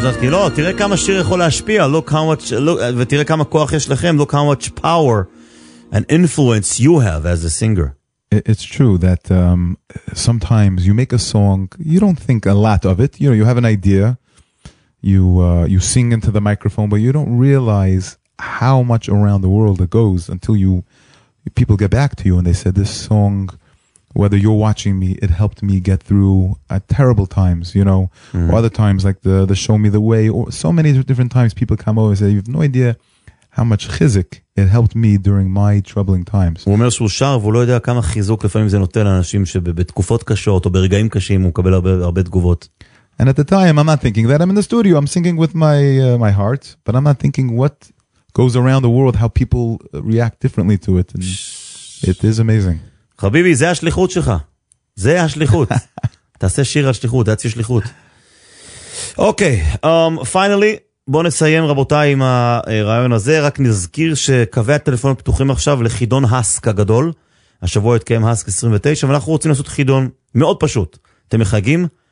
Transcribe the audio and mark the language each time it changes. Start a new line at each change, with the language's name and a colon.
Hebrew: לא, תראה כמה שיר יכול להשפיע.
English: Look how much,
Hebrew: ותראה כמה כוח יש לכם.
English: Look how much power and influence you have as a singer. It's true that sometimes you make a song, you don't think a lot of it. You know, you have an idea, you sing into the microphone, but you don't realize how much around the world it goes until people get back to you and they said, this song, whether you're watching me, it helped me get through terrible times, you know. Mm-hmm. Or other times, like the Show Me the Way, or so many different times people come over and say, you have no idea how much chizik it helped me during my troubling times.
Hebrew: הוא אומר שהוא שר, והוא לא יודע כמה חיזוק לפעמים זה נותן לאנשים שבתקופות קשות, או ברגעים קשים, הוא מקבל הרבה תגובות.
English: And at the time, I'm not thinking that. I'm in the studio. I'm singing with my my heart, but I'm not thinking what goes around the world, how people react differently to it. And it is amazing.
Hebrew: חביבי, זה השליחות שלך. זה השליחות. תעשה שיר על שליחות, זה עצי שליחות. אוקיי, finally, בוא נסיים רבותיי עם הרעיון הזה. רק נזכיר שקווי הטלפון פתוחים עכשיו לחידון הסק הגדול. השבוע התקיים הסק 29, ואנחנו רוצים לעשות חידון מאוד פשוט. אתם מחגים?